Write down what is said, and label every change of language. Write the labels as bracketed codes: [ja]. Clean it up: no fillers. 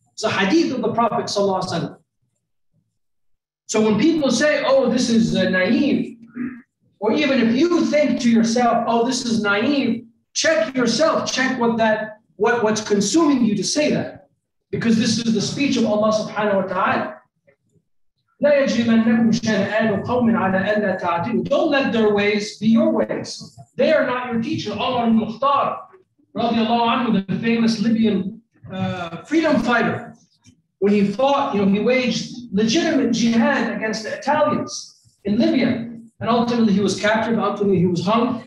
[en] It's a hadith of the Prophet sallallahu alayhi wa sallam. So when people say, oh, this is naive, or even if you think to yourself, oh, this is naive, check yourself, check what's consuming you to say that. Because this is the speech of Allah subhanahu wa ta'ala. [ar] لا يجرمنكم شنآن قوم على ألا تعدلوا. [en] Don't let their ways be your ways. They are not your teacher. Omar al-Mukhtar, radiallahu anhu, the famous Libyan freedom fighter, when he fought, you know, he waged legitimate jihad against the Italians in Libya, and ultimately he was captured, ultimately he was hung.